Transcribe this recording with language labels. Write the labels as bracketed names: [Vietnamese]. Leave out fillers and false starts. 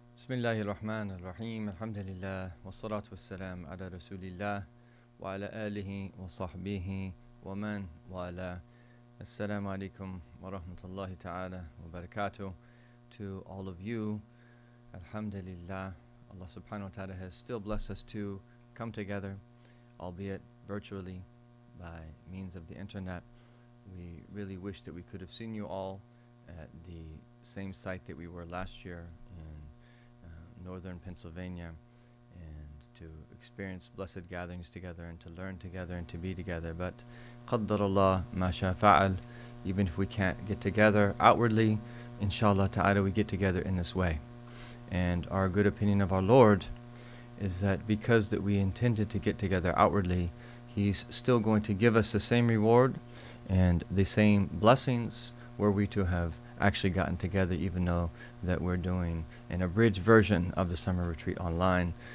[Arabic] بسم الله الرحمن الرحيم، الحمد لله والصلاة والسلام على رسول الله وعلى آله وصحبه ومن والاه. السلام عليكم ورحمة الله تعالى وبركاته. [English] To all of you, Alhamdulillah, Allah subhanahu wa ta'ala has still blessed us to come together, albeit virtually by means of the internet. We really wish that we could have seen you all at the same site that we were last year in northern Pennsylvania, and to experience blessed gatherings together and to learn together and to be together. But [Arabic] قَدَّرَ اللَّهُ مَا شَاءَ فَعَلَ. [English] Even if we can't get together outwardly, inshallah ta'ala, we get together in this way. And our good opinion of our Lord is that because that we intended to get together outwardly, He's still going to give us the same reward and the same blessings were we to have actually gotten together, even though that we're doing an abridged version of the summer retreat online.